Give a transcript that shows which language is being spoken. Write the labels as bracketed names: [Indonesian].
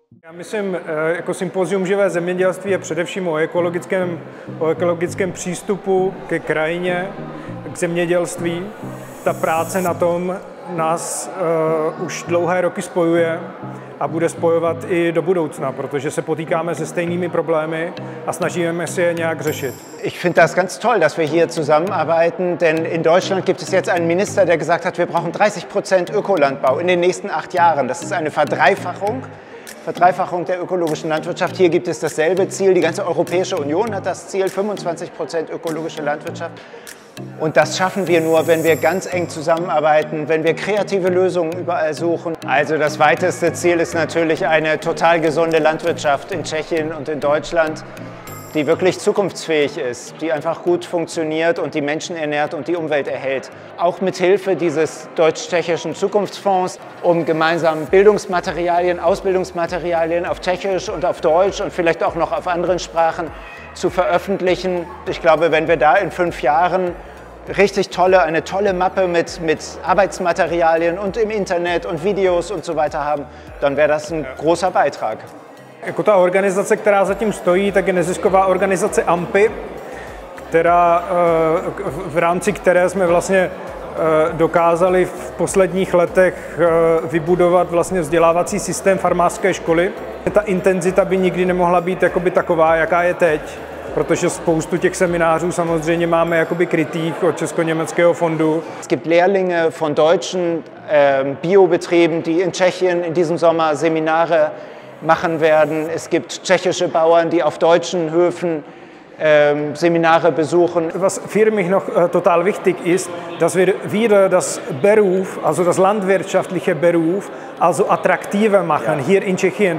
[Czech] Myslím, jako sympozium živé zemědělství je především o ekologickém přístupu ke krajině, k zemědělství. Ta práce na tom nás už dlouhé roky spojuje a bude spojovat i do budoucna, protože se potýkáme se stejnými problémy a snažíme se je nějak řešit. [German] Ich finde das ganz toll, dass wir hier zusammenarbeiten, denn in Deutschland gibt es jetzt einen Minister, der gesagt hat, wir brauchen 30% Ökolandbau in den nächsten 8 Jahren. Das ist eine Verdreifachung. Verdreifachung der ökologischen Landwirtschaft. Hier gibt es dasselbe Ziel. Die ganze Europäische Union hat das Ziel, 25% ökologische Landwirtschaft. Und das schaffen wir nur, wenn wir ganz eng zusammenarbeiten, wenn wir kreative Lösungen überall suchen. Also das weiteste Ziel ist natürlich eine total gesunde Landwirtschaft in Tschechien und in Deutschland, die wirklich zukunftsfähig ist, die einfach gut funktioniert und die Menschen ernährt und die Umwelt erhält. Auch mit Hilfe dieses deutsch-tschechischen Zukunftsfonds, um gemeinsam Bildungsmaterialien, Ausbildungsmaterialien auf Tschechisch und auf Deutsch und vielleicht auch noch auf anderen Sprachen zu veröffentlichen. Ich glaube, wenn wir da in 5 Jahren richtig tolle, eine tolle Mappe mit Arbeitsmaterialien und im Internet und Videos und so weiter haben, dann wäre das ein großer Beitrag. [Czech] Jako ta organizace, která zatím stojí, tak je nezisková organizace AMPI, která, v rámci které jsme vlastně dokázali v posledních letech vybudovat vlastně vzdělávací systém farmářské školy. Ta intenzita by nikdy nemohla být jakoby taková, jaká je teď, protože spoustu těch seminářů samozřejmě máme jakoby krytých od Česko-Německého fondu. [German] Es gibt Lehrlinge von deutschen Biobetrieben, die in Tschechien in diesem Sommer Seminare machen werden. Es gibt tschechische Bauern, die auf deutschen Höfen Seminare besuchen. Was für mich noch total wichtig ist, dass wir wieder das Beruf, also das landwirtschaftliche Beruf, also attraktiver machen, ja, hier in Tschechien.